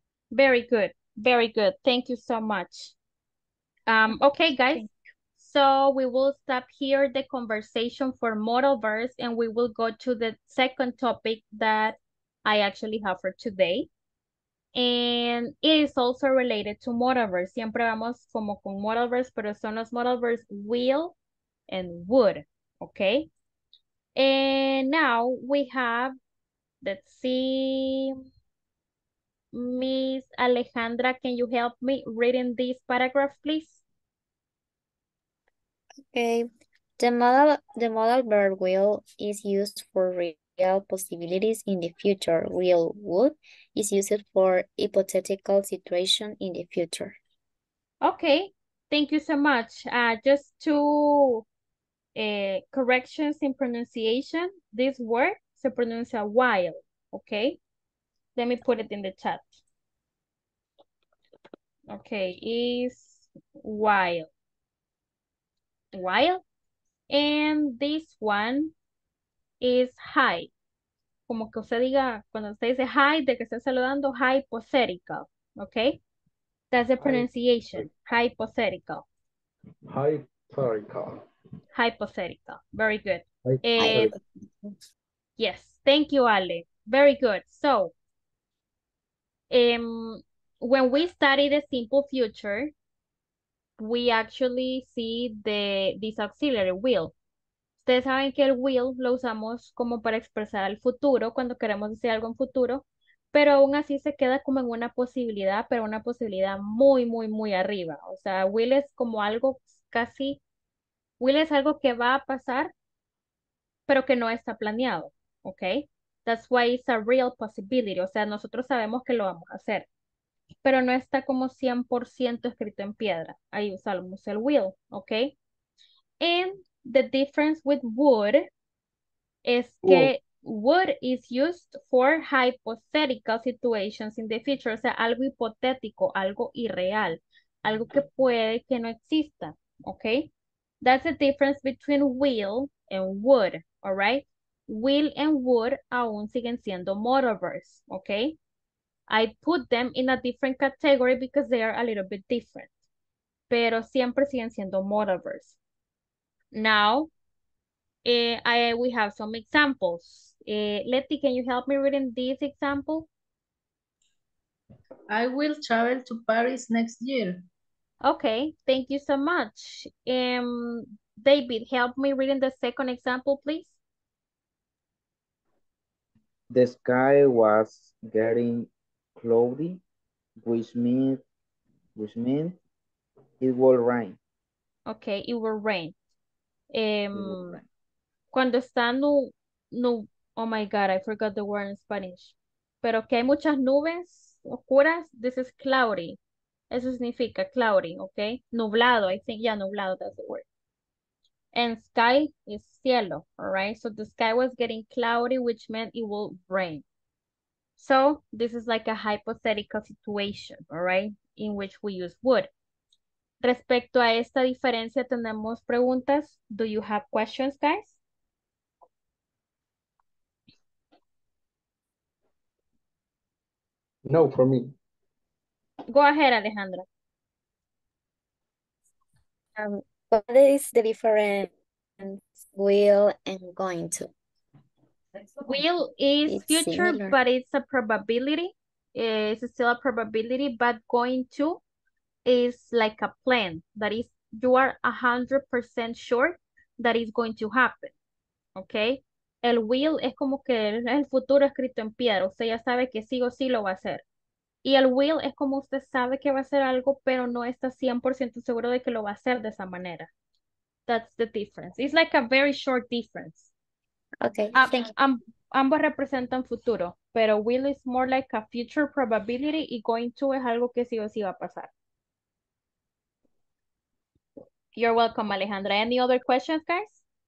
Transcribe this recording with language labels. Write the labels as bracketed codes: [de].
[en] Very good. Thank you so much. Okay, guys. So we will stop here the conversation for modal verbs, and we will go to the second topic that I actually have for today. And it is also related to modal verbs. [es] Siempre vamos como con modal verbs, pero son los modal verbs will and would. [en] Okay. And now we have, let's see. Miss Alejandra, can you help me reading this paragraph, please? Okay. The modal verb will is used for real possibilities in the future. Will would is used for hypothetical situation in the future. Okay. Thank you so much. Just two corrections in pronunciation. This word [es] se pronuncia [en] while, okay? Let me put it in the chat. Okay, is while. And this one is high. [es] como que usted diga, cuando usted dice hi, de que esté saludando, [en] hypothetical, okay? That's the pronunciation, hypothetical. Hypothetical. Hypothetical, very good. Yes, thank you, Ale. Very good. So, when we study the simple future, we actually see this auxiliary, will. [es] Ustedes saben que el will lo usamos como para expresar el futuro, cuando queremos decir algo en futuro, pero aún así se queda como en una posibilidad, pero una posibilidad muy, muy, muy arriba. O sea, will es como algo casi, will es algo que va a pasar, pero que no está planeado, ¿ok? [en] That's why it's a real possibility. [es] O sea, nosotros sabemos que lo vamos a hacer, pero no está como 100% escrito en piedra. Ahí usamos el will, ¿ok? [en] And the difference with would is que would is used for hypothetical situations in the future. [es] O sea, algo hipotético, algo irreal, algo que puede que no exista, ¿ok? [en] That's the difference between will and would, all right? Will and would [es] aún siguen siendo [en] modal verbs, okay? I put them in a different category because they are a little bit different. [es] Pero siempre siguen siendo modal verbs. [en] Now, we have some examples. Leti, can you help me reading this example? I will travel to Paris next year. Okay, thank you so much. David, help me reading the second example, please. The sky was getting cloudy, which means it will rain. Okay, it will rain. [es] Cuando está [en] oh my God, I forgot the word in Spanish. [es] Pero que hay muchas nubes oscuras, [en] this is cloudy. [es] Eso significa [en] cloudy, okay? Nublado, I think, yeah, nublado, that's the word. And sky is cielo, all right? So the sky was getting cloudy, which meant it will rain. So this is like a hypothetical situation, all right? In which we use would. [es] Respecto a esta diferencia, tenemos preguntas. [en] Do you have questions, guys? No, for me. Go ahead, Alejandra. What is the difference will and going to? Will is future, but it's a probability. It's still a probability, but going to is like a plan. That is, you are 100% sure that it's going to happen. Okay? [es] El will es como que el futuro escrito en piedra. Usted ya sabe que sí o sí lo va a hacer. Y el will es como usted sabe que va a hacer algo, pero no está 100% seguro de que lo va a hacer de esa manera. [en] That's the difference. It's like a very short difference. Okay, thank you. [es] Ambos representan futuro, pero [en] will is more like a future probability [es] y going to es algo que sí o sí va a pasar. [en] You're welcome, Alejandra. Any other questions, guys?